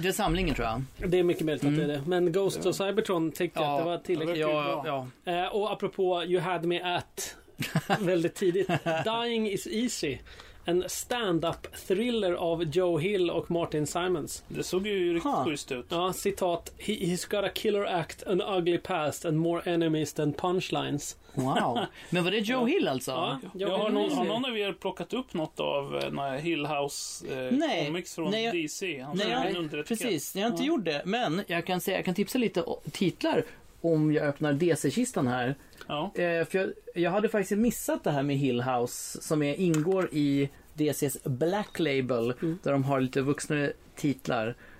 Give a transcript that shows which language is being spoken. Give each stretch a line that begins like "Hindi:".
Swedish: Det är samlingen, tror jag. Det är mycket möjligt att det är det. Men Ghosts of Cybertron tyckte jag att det var tillräckligt bra. Och apropå You Had Me At... väldigt tidigt. Dying is Easy, en stand-up thriller av Joe Hill och Martin Simons. Det såg ju riktigt schysst ut. Ja, citat:
English: He's got a killer act, an ugly past and more enemies than punchlines.
Swedish: Wow, men var det Joe Hill alltså? Ja, har någon av er plockat upp något av Hill House comics från DC? Jag har inte gjort det. Men jag kan säga, jag kan tipsa lite titlar om jag öppnar DC-kistan här. Ja. För jag hade faktiskt missat det här med Hill House, som är, ingår i DC:s Black Label, där de har lite vuxna titlar.